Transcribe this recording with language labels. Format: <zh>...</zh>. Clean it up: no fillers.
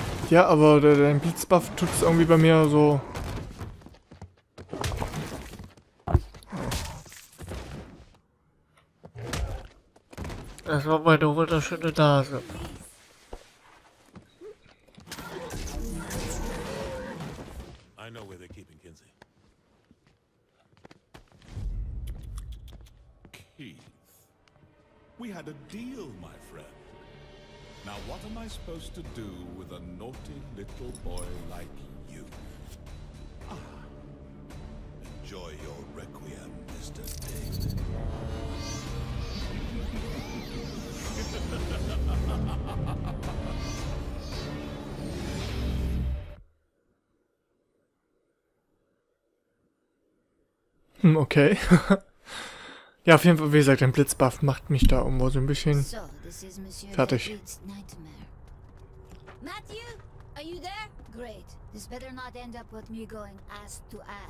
<de>Ja, aber dein Blitzbuff tut es irgendwie bei mir so... Das war meine wunderschöne Nase.</de> <en>I know where they're keeping Kinsey. Keith. We had a deal, my friend. Now what am I supposed to do with a naughty little boy like you? Ah. Enjoy your requiem, Mr. David. Okay.</en> <de>Ja, auf jeden Fall, wie gesagt, ein Blitzbuff macht mich da irgendwo so ein bisschen fertig.</de> <en>Matthew, are you there? Great. This better not end up with me going ass to ass.</en>